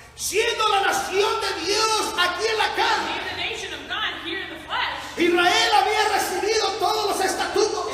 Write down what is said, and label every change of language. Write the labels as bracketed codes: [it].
[es] siendo la nación de Dios aquí en la carne, [en] being the nation of God here in the flesh, [es] Israel había recibido todos los estatutos.